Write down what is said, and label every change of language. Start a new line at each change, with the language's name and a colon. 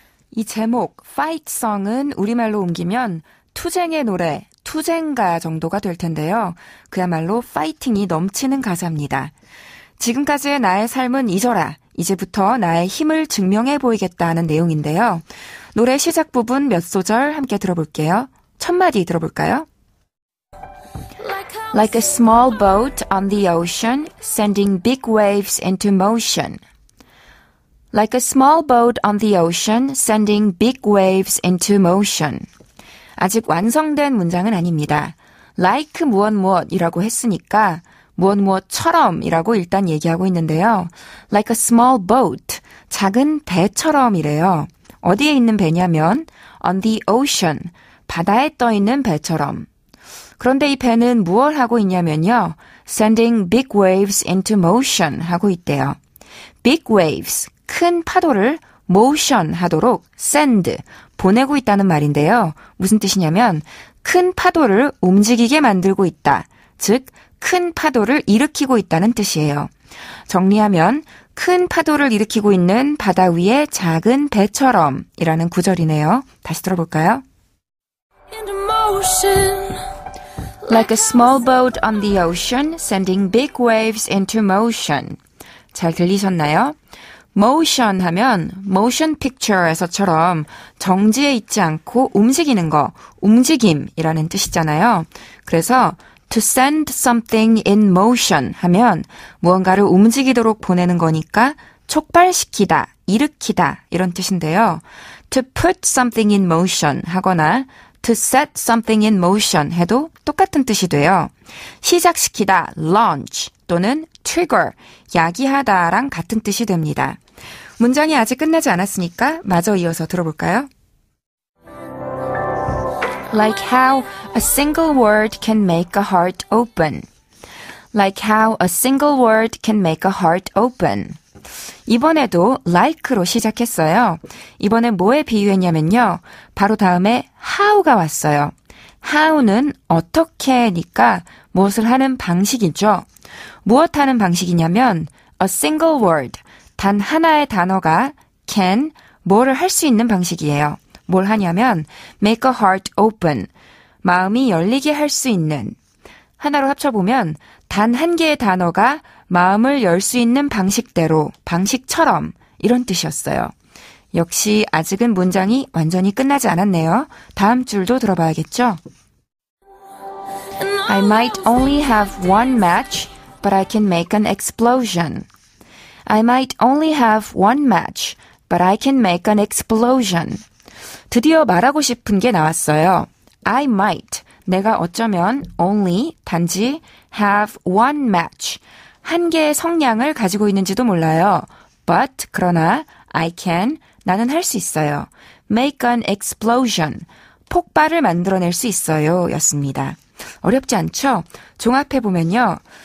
Korean: 이 제목 Fight Song은 우리말로 옮기면 투쟁의 노래 투쟁가 정도가 될 텐데요. 그야말로 파이팅이 넘치는 가사입니다. 지금까지의 나의 삶은 잊어라. 이제부터 나의 힘을 증명해 보이겠다는 내용인데요. 노래 시작 부분 몇 소절 함께 들어볼게요. 첫 마디 들어볼까요?
English: Like a small boat on the ocean, sending big waves into motion. Like a small boat on the ocean, sending big waves into motion.
Korean: 아직 완성된 문장은 아닙니다. Like 무엇 무엇이라고 했으니까 무엇 무엇처럼이라고 일단 얘기하고 있는데요.
English: Like a small boat,
Korean: 작은 배처럼이래요. 어디에 있는 배냐면
English: on the ocean,
Korean: 바다에 떠 있는 배처럼. 그런데 이 배는 무엇 하고 있냐면요.
English: Sending big waves into motion
Korean: 하고 있대요.
English: Big waves,
Korean: 큰 파도를 motion 하도록 send, 보내고 있다는 말인데요. 무슨 뜻이냐면 큰 파도를 움직이게 만들고 있다. 즉, 큰 파도를 일으키고 있다는 뜻이에요. 정리하면 큰 파도를 일으키고 있는 바다 위의 작은 배처럼이라는 구절이네요. 다시 들어볼까요?
English: Into motion. Like a small boat on the ocean, sending big waves into motion.
Korean: 잘 들리셨나요? Motion 하면
English: motion picture
Korean: 에서처럼 정지에 있지 않고 움직이는 거, 움직임이라는 뜻이잖아요. 그래서
English: to send something in motion
Korean: 하면 무언가를 움직이도록 보내는 거니까 촉발시키다, 일으키다 이런 뜻인데요.
English: To put something in motion
Korean: 하거나
English: to set something in motion
Korean: 해도 똑같은 뜻이 돼요. 시작시키다, launch 또는 trigger, 야기하다랑 같은 뜻이 됩니다. 문장이 아직 끝나지 않았으니까 마저 이어서 들어볼까요?
English: Like how a single word can make a heart open. Like how a single word can make a heart open.
Korean: 이번에도 like로 시작했어요. 이번에 뭐에 비유했냐면요. 바로 다음에 how가 왔어요. how는 어떻게니까 무엇을 하는 방식이죠. 무엇 하는 방식이냐면
English: a single word,
Korean: 단 하나의 단어가 can, 뭐를 할 수 있는 방식이에요. 뭘 하냐면
English: make a heart open,
Korean: 마음이 열리게 할 수 있는. 하나로 합쳐보면 단 한 개의 단어가 마음을 열 수 있는 방식대로, 방식처럼 이런 뜻이었어요. 역시 아직은 문장이 완전히 끝나지 않았네요. 다음 줄도 들어봐야겠죠?
English: I might only have one match, but I can make an explosion. I might only have one match, but I can make an explosion.
Korean: 드디어 말하고 싶은 게 나왔어요.
English: I might,
Korean: 내가 어쩌면 only, 단지
English: have one match,
Korean: 한 개의 성량을 가지고 있는지도 몰라요. But, 그러나,
English: I can,
Korean: 나는 할 수 있어요.
English: Make an explosion,
Korean: 폭발을 만들어낼 수 있어요, 였습니다. 어렵지 않죠? 종합해보면요.